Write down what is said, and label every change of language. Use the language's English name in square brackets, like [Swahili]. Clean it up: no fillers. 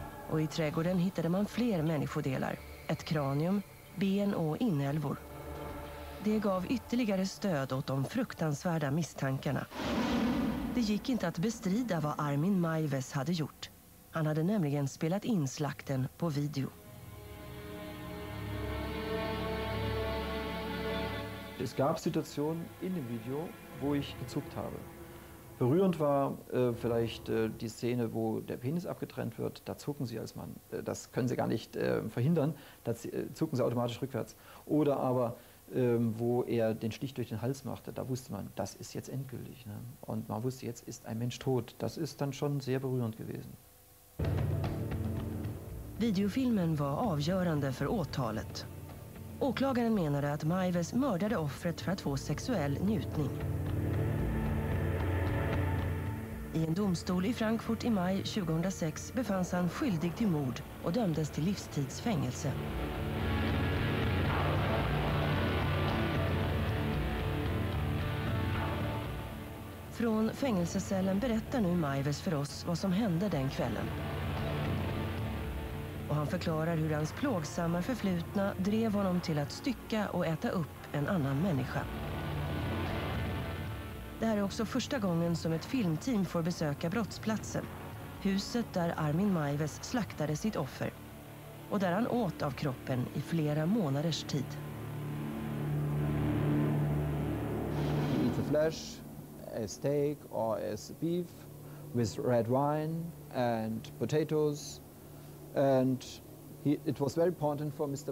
[Swedish] Och i trädgården hittade man fler människodelar. Ett kranium, ben och inälvor. Det gav ytterligare stöd åt de fruktansvärda misstankarna. Det gick inte att bestrida vad Armin Maives hade gjort. Han hade nämligen spelat in slakten på video. [German] Es gab Situationen in dem Video, wo ich gezuckt habe. Berührend war vielleicht die Szene, wo der Penis abgetrennt wird. Da zucken sie als Mann. Das können sie gar nicht verhindern. Da zucken sie automatisch rückwärts. Oder aber, wo er den Stich durch den Hals machte. Da wusste man, das ist jetzt endgültig. Ne? Und man wusste, jetzt ist ein Mensch tot. Das ist dann schon sehr berührend gewesen. [Swedish] Videofilmen war avgörande för åtalet. Åklagaren menade att Maives mördade offret för att få sexuell njutning. I en domstol i Frankfurt i maj 2006 befanns han skyldig till mord och dömdes till livstidsfängelse. Från fängelsecellen berättar nu Maives för oss vad som hände den kvällen. Och han förklarar hur hans plågsamma förflutna drev honom till att stycka och äta upp en annan människa. Det här är också första gången som ett filmteam får besöka brottsplatsen. Huset där Armin Maives slaktade sitt offer. Och där han åt av kroppen i flera månaders tid. [English] He eats a flesh, a steak or a beef with red wine and potatoes. And it was very important for Mr.